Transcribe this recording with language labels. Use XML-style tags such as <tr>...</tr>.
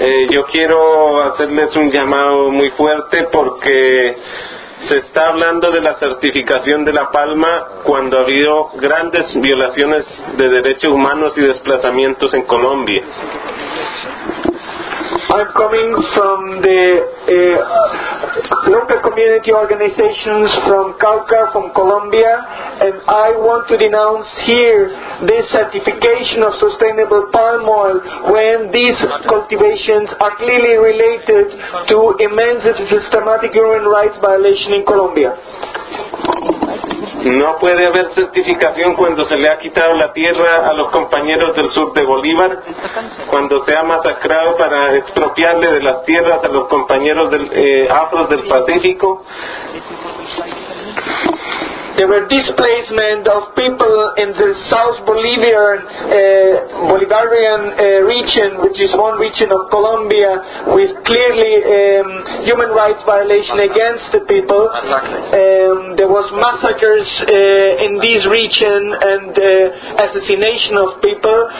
<es>Yo quiero hacerles un llamado muy fuerte porque se está hablando de la certificación de la palma cuando ha habido grandes violaciones de derechos humanos y desplazamientos en Colombia.</es> <en>I'm coming from the local community organizations from Cauca, from Colombia, and I want to denounce here this certification of sustainable palm oil when these cultivations are clearly related to immense systematic human rights violation in Colombia.</en> <es>No puede haber certificación cuando se le ha quitado la tierra a los compañeros del sur de Bolívar, cuando se ha masacrado para expropiarle de las tierras a los compañeros del, afros del Pacífico.</es> <en>There were displacement of people in the South Bolivian, Bolivarian region, which is one region of Colombia, with clearly human rights violation against the people. There was massacres in this region and assassination of people.</en>